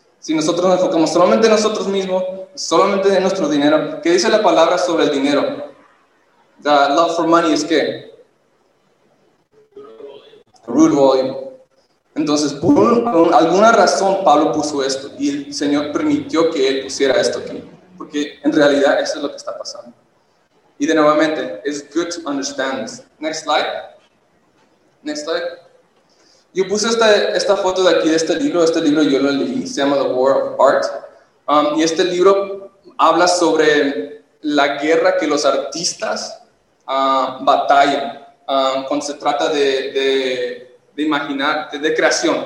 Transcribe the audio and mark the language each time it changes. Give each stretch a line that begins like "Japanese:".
Spanish: Si nosotros nos enfocamos solamente en nosotros mismos, solamente en nuestro dinero, ¿qué dice la palabra sobre el dinero?
English: The love for money is
Spanish: ¿qué?
English: Root of all evil.
Spanish: Entonces, por alguna razón, Pablo puso esto, y el Señor permitió que él pusiera esto aquí, porque en realidad eso es lo que está pasando. Y de nuevamente,
English: it's good to understand this. Next slide.
Spanish: Yo puse esta foto de aquí, de este libro. Este libro yo lo leí, se llama The War of Art. Y este libro habla sobre la guerra que los artistas batallan cuando se trata de imaginar, de creación.